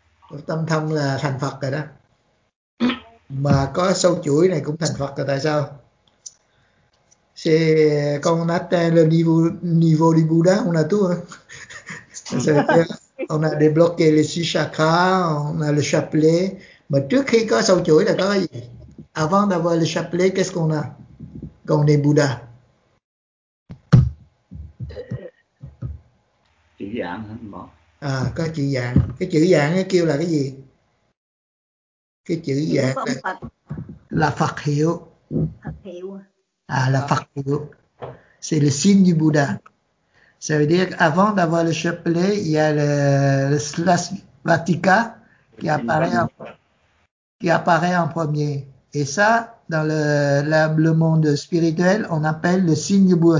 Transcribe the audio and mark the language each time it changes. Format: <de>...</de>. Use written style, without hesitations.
<vi>Lục tâm thông là thành Phật rồi đó. Mà có sâu chuỗi này cũng thành Phật rồi, tại sao?</vi> <fr>C'est quand on atteint le niveau du Bouddha, on a tout. Hein? C'est-à-dire, on a débloqué les six chakras, on a le chapelet.</fr> <vi>Mais trước khi có sâu chuỗi là có gì?</vi> <fr>Avant d'avoir le chapelet, qu'est-ce qu'on a? Quand on est Bouddha.</fr> <vi>Chữ dạng hả? À, có chữ dạng. Cái chữ dạng nó kêu là cái gì? Cái chữ dạng là Phật hiệu. Phật hiệu.</vi> <fr>Ah, la facture. C'est le signe du Bouddha. Ça veut dire qu'avant d'avoir le chapelet, il y a le svastika qui apparaît en premier. Et ça, dans le monde spirituel, on appelle le signe du Bouddha.</fr>